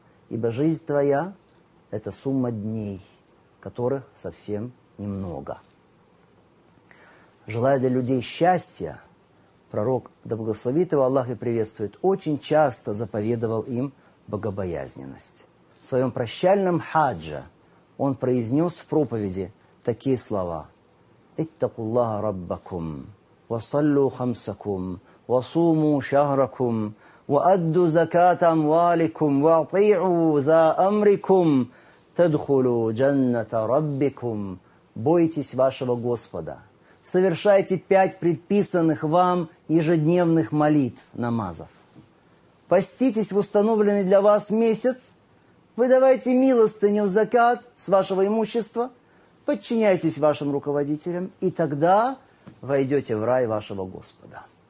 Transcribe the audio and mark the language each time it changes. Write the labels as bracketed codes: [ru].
[ru] Ибо жизнь твоя – это сумма дней, которых совсем немного. Желая для людей счастья, пророк, да благословит его Аллах и приветствует, очень часто заповедовал им богобоязненность. В своем прощальном хаджа он произнес в проповеди такие слова: [ar] – اتقوا الله ربكم وصلوا خمسكم وصوموا شهركم وأدوا زكاة أموالكم واطيعوا ذا أمركم تدخلوا جنة ربكم. [ru] Бойтесь вашего Господа. Совершайте 5 предписанных вам ежедневных молитв, намазов. Поститесь в установленный для вас месяц. Выдавайте милостыню, закат с вашего имущества. Подчиняйтесь вашим руководителям, и тогда войдете в рай вашего Господа.